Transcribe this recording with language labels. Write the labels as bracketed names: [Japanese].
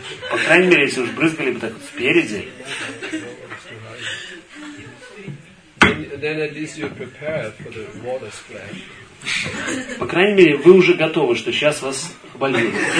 [Russian] По крайней мере, если уж брызгали бы так вот спереди. [English] Then at least you're prepared for the water splash. [Russian] По крайней мере, вы уже готовы, что сейчас вас обольют.